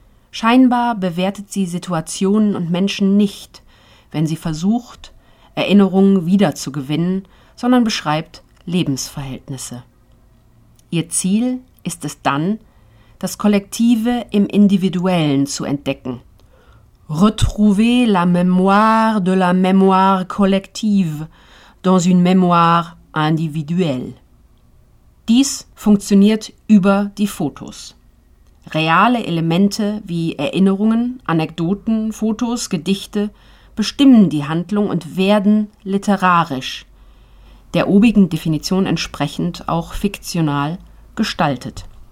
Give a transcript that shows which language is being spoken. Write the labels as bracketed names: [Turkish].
[German] Scheinbar bewertet sie Situationen und Menschen nicht, wenn sie versucht, Erinnerungen wiederzugewinnen, sondern beschreibt Lebensverhältnisse. Ihr Ziel ist es dann, das Kollektive im Individuellen zu entdecken. [French] Retrouver la mémoire de la mémoire collective dans une mémoire individuelle. [German] Dies funktioniert über die Fotos. Reale Elemente wie Erinnerungen, Anekdoten, Fotos, Gedichte bestimmen die Handlung und werden literarisch, der obigen Definition entsprechend auch fiktional, gestaltet.